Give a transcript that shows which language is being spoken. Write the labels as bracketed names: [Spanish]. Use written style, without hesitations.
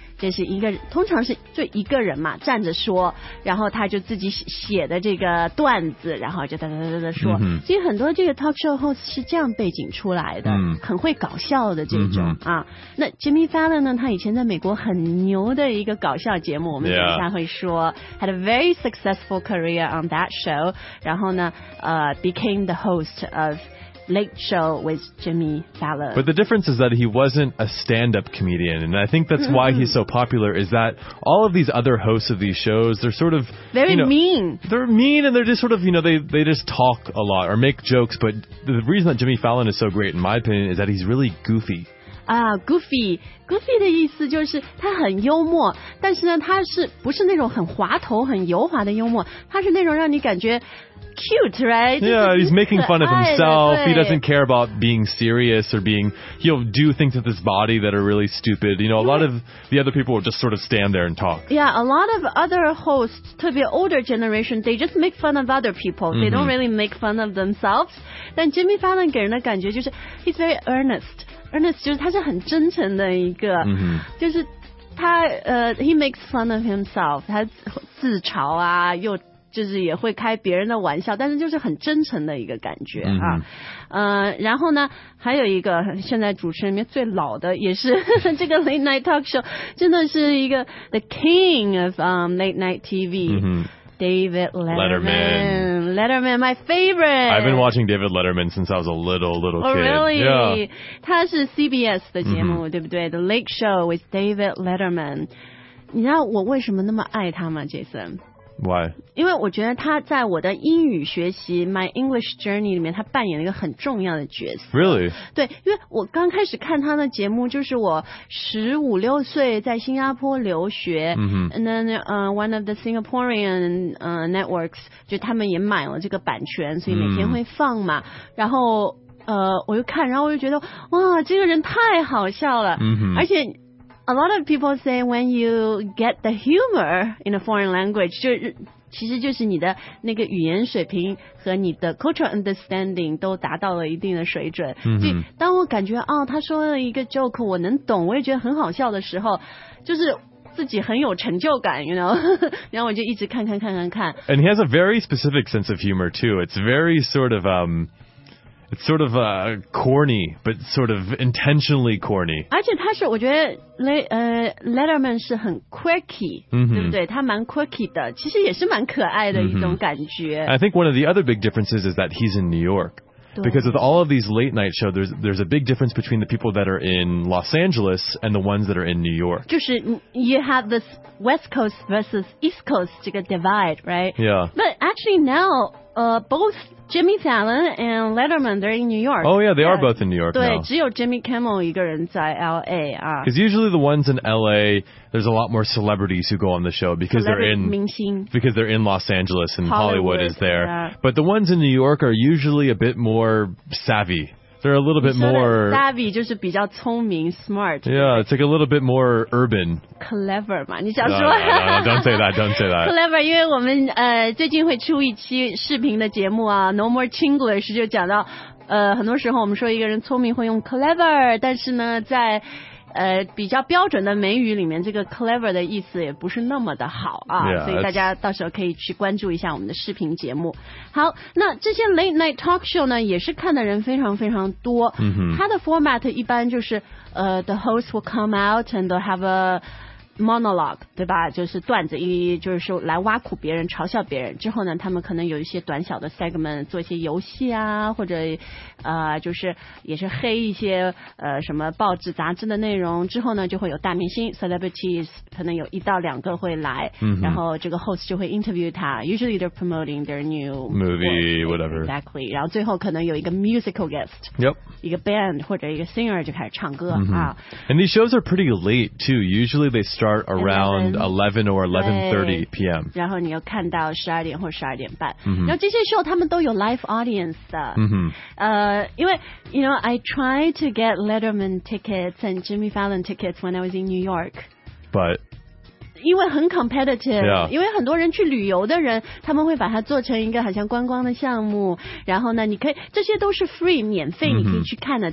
[Chinese] 这是一个通常是就一个人嘛站着说然后他就自己写的这个段子然后就哒哒哒哒说、嗯、所以很多这个 talk show host 是这样背景出来的、嗯、很会搞笑的这种、嗯、啊那 Jimmy Fallon 呢他以前在美国很牛的一个搞笑节目我们等一下会说、 [English] yeah. had a very successful career on that show [Chinese] 然后呢 [English] became the host ofLate Show with Jimmy Fallon. But the difference is that he wasn't a stand-up comedian, and I think that's why he's so popular, is that all of these other hosts of these shows, they're sort of... Very you know, mean. They're mean, and they're just sort of, you know, they just talk a lot or make jokes, but the reason that Jimmy Fallon is so great, in my opinion, is that he's really goofy. Goofy. [Chinese] Goofy 的意思就是他很幽默，但是呢，他是不是那种很滑头、很油滑的幽默，他是那种让你感觉 [English] Cute, right? Yeah, he's making fun of himself. He doesn't care about being serious or being... He'll do things with his body that are really stupid. You know, a lot of the other people will just sort of stand there and talk. Yeah, a lot of other hosts, [Chinese] 特别 [English] older generation, they just make fun of other people. They don't really make fun of themselves. [Chinese] 但 [English] Jimmy Fallon [Chinese] 给人的感觉就是 [English] he's very earnest. [Chinese] Earnest 就是他是很真诚的一个。 Mm-hmm. 就是他 [English] he makes fun of himself. [Chinese] 他自嘲啊又就是也会开别人的玩笑，但是就是很真诚的一个感觉啊。嗯、然后呢，还有一个现在主持人里面最老的，也是呵呵这个 late night talk show， 真的是一个 [English] the king of late night TV、嗯。 David Letterman, my favorite. I've been watching David Letterman since I was a little kid. Oh, really?、 Yeah. [Chinese] 他是 CBS 的节目、嗯，对不对？ [English] The Late Show with David Letterman。 [Chinese] 你知道我为什么那么爱他吗 ，Jason？ [English] Why? [Chinese] 因为我觉得他在我的英语学习 My English Journey 里面他扮演了一个很重要的角色 [English] Really? [Chinese] 对因为我刚开始看他的节目就是我十五六岁在新加坡留学、 mm-hmm. [English] And then、one of the Singaporean、networks [Chinese] 就他们也买了这个版权所以每天会放嘛、mm-hmm. 然后我又看然后我就觉得哇这个人太好笑了、 mm-hmm. 而且 [English] A lot of people say when you get the humor in a foreign language, [Chinese] 就其实就是你的那个语言水平和你的 [English] cultural understanding [Chinese] 都达到了一定的水准。 Mm-hmm. 所以当我感觉哦，他说了一个 joke 我能懂，我也觉得很好笑的时候，就是自己很有成就感 ， [English] you know. [Chinese] 然后我就一直看。 [English] And he has a very specific sense of humor too. It's very sort of It's sort of corny, but sort of intentionally corny. [Chinese] 而且他是我觉得 Letterman 是很 quirky、 mm-hmm. 对不对他蛮 quirky 的其实也是蛮可爱的一种感觉、 [English] mm-hmm. I think one of the other big differences is that he's in New York Because with all of these late night shows, there's a big difference between the people that are in Los Angeles and the ones that are in New York. [Chinese] 就是 [English] you have this West Coast versus East Coast [Chinese] 这个 [English] divide, right? Yeah. But actually now, both Jimmy Fallon and Letterman, they're in New York. Oh yeah, they are both in New York [Chinese] 对 [English] now. [Chinese] 只有 Jimmy Kimmel 一个人在 LA. [English] Because usually the ones in LA, there's a lot more celebrities who go on the show because, because they're in Los Angeles and Hollywood is there. Yeah. But the ones in New York are usually a bit more savvy. They're a little bit more... [Chinese] Savvy 就是比较聪明 smart. [English] Yeah, it's like a little bit more urban. [Chinese] Clever 嘛你想说 [English] No, don't say that. [Chinese] Clever, 因为我们最近会出一期视频的节目啊 No More Chinglish 就讲到很多时候我们说一个人聪明会用 clever, 但是呢在比较标准的美语里面这个 clever 的意思也不是那么的好啊 [English] yeah, [Chinese] 所以大家到时候可以去关注一下我们的视频节目好那这些 late night talk show 呢也是看的人非常非常多、 mm-hmm. 它的 format 一般就是 [English] the host will come out and they'll have a monologue [Chinese] 对吧就是段子就是来挖苦别人嘲笑别人之后呢他们可能有一些短小的 segment 做一些游戏啊或者就是也是黑一些什么报纸杂志的内容之后呢就会有大明星 celebrities 可能有一到两个会来、 mm-hmm. 然后这个 [English] host [Chinese] 就会 [English] interview 他 usually they're promoting their new movie whatever exactly [Chinese] 然后最后可能有一个 [English] musical guest yep [Chinese] 一个 band 或者一个 singer 就开始唱歌、 mm-hmm. [English] and these shows are pretty late too usually they start around 11 or 11:30 p.m. [Chinese] 然后你又看到12点或12点半、 mm-hmm. 然后这些 show 他们都有 live audience 的、 mm-hmm. 因为 [English] you know I tried to get Letterman tickets and Jimmy Fallon tickets when I was in New York but [Chinese] 因为很 competitive、 [English] yeah. [Chinese] 因为很多人去旅游的人他们会把它做成一个好像观光的项目然后呢你可以这些都是 free 免费你可以去看的、mm-hmm.